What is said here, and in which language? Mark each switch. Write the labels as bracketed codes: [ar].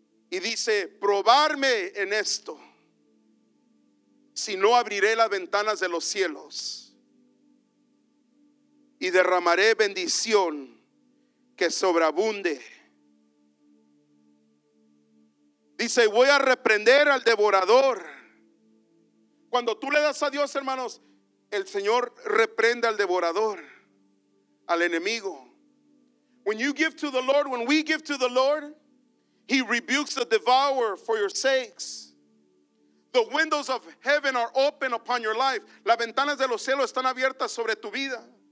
[es] Y dice, probarme en esto, si no abriré las ventanas de los cielos y derramaré bendición que sobreabunde. Dice, voy a reprender al devorador. Cuando tú le das a Dios, hermanos, el Señor reprende al devorador, al enemigo. [en] When you give to the Lord, when we give to the Lord, He rebukes the devourer for your sakes. The windows of heaven are open upon your life. [es] Las ventanas de los cielos están abiertas sobre tu vida.